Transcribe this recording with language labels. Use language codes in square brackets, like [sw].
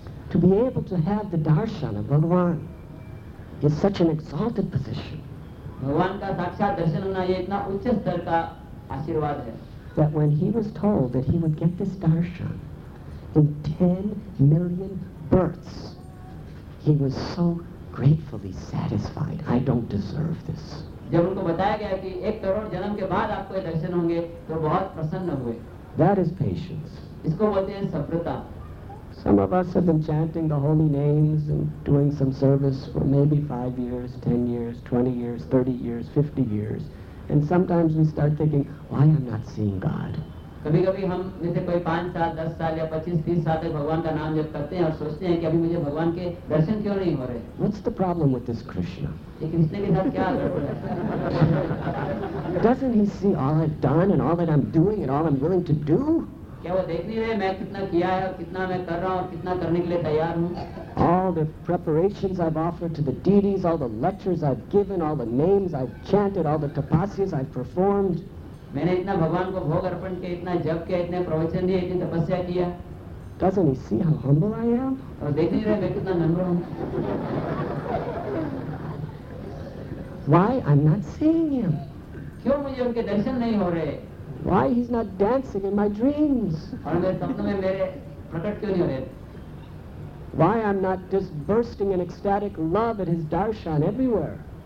[en] To be able to have the darshan of Bhagavan is such an exalted position. [hi] भगवान का साक्षात दर्शन होना ये इतना उच्च स्तर का आशीर्वाद है। [en] That when he was told that he would get this darshan in 10 million births, he was so gratefully satisfied. I don't deserve this. [hi] जब उनको बताया गया कि 1 करोड़ जन्म के बाद आपको ये दर्शन होंगे, तो बहुत प्रसन्न हुए। [en] That is patience. [hi] इसको बोलते हैं सफलता। [en] Some of us have been chanting the holy names and doing some service for maybe 5 years, 10 years, 20 years, 30 years, 50 years, and sometimes we start thinking, why am I not seeing God? [hi] कभी कभी हम जैसे कोई 5 साल, 10 साल या 25-30 साल तक भगवान का नाम जब करते हैं और सोचते हैं कि अभी मुझे भगवान के दर्शन क्यों नहीं हो रहे? [en] What's the problem with this Krishna? [hi] ये कृष्ण के साथ क्या गड़बड़ है? [en] Doesn't he see all I've done and all that I'm doing and all I'm willing to do? [hi] क्या वो देख नहीं रहे मैं कितना किया है और कितना मैं कर रहा हूँ और कितना करने के लिए तैयार हूँ? [en] All the preparations I've offered to the deities, all the lectures I've given, all the names I've chanted, all the tapasyas I've performed. [hi] मैंने इतना भगवान को भोग अर्पण किया, इतना जप किया, इतने प्रवचन दिए, इतनी तपस्या किया. [en] Doesn't he see how humble I am? [hi] और देख नहीं रहे मैं कितना नम्र हूँ? [en] Why I'm not seeing him? [hi] क्यों मुझे उनके दर्शन नहीं हो रहे? [en] Why he's not dancing in my dreams? Why I'm not just bursting in ecstatic love at his darshan everywhere?